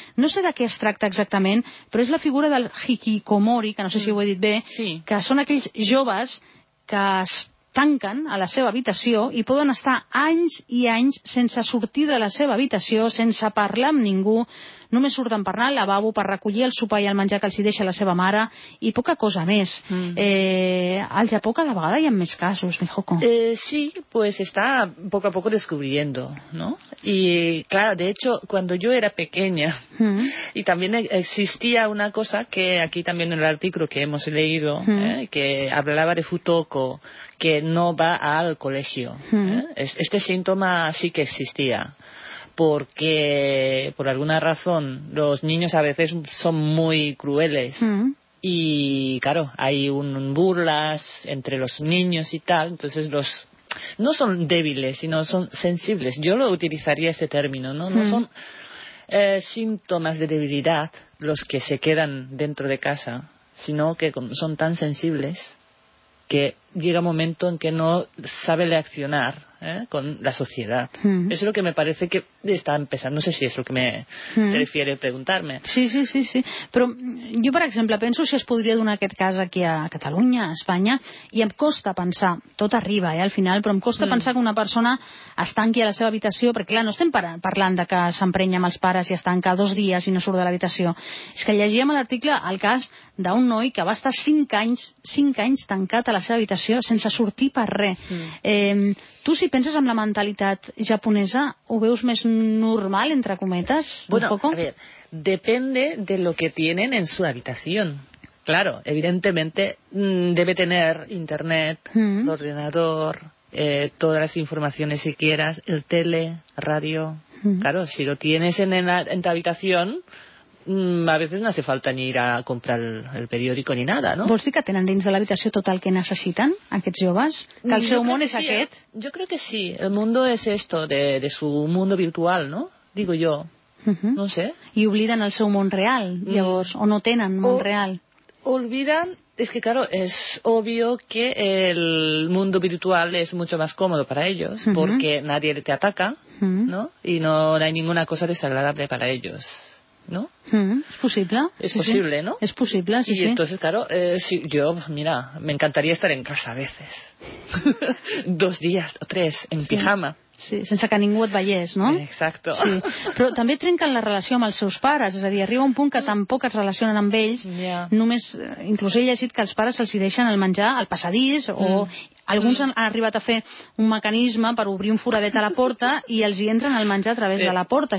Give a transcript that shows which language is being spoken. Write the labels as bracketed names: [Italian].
[Catalan] No sé de què es tracta exactament, però és la figura del hikikomori, que no sé si ho he dit bé, que són aquells joves que es tanquen a la seva habitació i poden estar anys i anys sense sortir de la seva habitació, sense parlar amb ningú, només surten per anar al lavabo, per recollir el sopar i el menjar que els deixa la seva mare, i poca cosa més. Al Japó cada vegada hi ha més casos, Mihoko. [Spanish] Sí, pues está poco a poco descubriendo, ¿no? Y claro, de hecho, cuando yo era pequeña, y también existía una cosa que aquí también en el artículo que hemos leído, que hablaba de futoko, que no va al colegio. Este síntoma sí que existía. Porque por alguna razón los niños a veces son muy crueles y claro, hay un burlas entre los niños y tal, entonces los no son débiles, sino son sensibles. Yo lo utilizaría ese término, ¿no? No son síntomas de debilidad los que se quedan dentro de casa, sino que son tan sensibles que llega un momento en que no sabe reaccionar. Con la sociedad. Eso es lo que me parece que está empezando. No sé si es lo que me refiere a preguntarme. Sí. [Catalan] Però jo, per exemple, penso si es podria donar aquest cas aquí a Catalunya, a Espanya, i em costa pensar, tot arriba, al final, però em costa pensar que una persona es tanqui a la seva habitació, perquè clar, no estem parlant de que s'emprenya amb els pares i es tanca dos dies i no surt de l'habitació. És que llegíem a l'article el cas d'un noi que va estar cinc anys tancat a la seva habitació sense sortir per res. Tu, si penses en la mentalitat japonesa, ho veus més normal, entre cometes? [Spanish] Bueno, poco? A ver, depende de lo que tienen en su habitación. Claro, evidentemente debe tener internet, ordenador, todas las informaciones si quieras, el tele, radio. Claro, si lo tienes en tu habitación, a veces no hace falta ni ir a comprar el periódico ni nada, ¿no? [Catalan] ¿Vols dir que tenen dins de l'habitació tot el que necessiten, aquests joves? Que el seu món és aquest? Jo crec que sí. [Spanish] El mundo es esto, de su mundo virtual, ¿no? Digo yo. No sé. [Catalan] I obliden el seu món real, llavors, o no tenen món real. [Spanish] Olvidan, es que claro, es obvio que el mundo virtual es mucho más cómodo para ellos, porque nadie te ataca, ¿no? Y no hay ninguna cosa desagradable para ellos. ¿No? Es posible. Es posible, ¿no? Es posible, sí. Y entonces, claro, si yo, mira, me encantaría estar en casa a veces. Dos días o tres en pijama. [Catalan] Sí, sense que ningú et veiés, no? [Spanish] Exacto. Sí. [Catalan] Però també trenquen la relació amb els seus pares, és a dir, arriba un punt que tampoc es relacionen amb ells, només, inclús he llegit que els pares els deixen el menjar al passadís, o alguns han arribat a fer un mecanisme per obrir un foradet a la porta i els hi entren el menjar a través de la porta.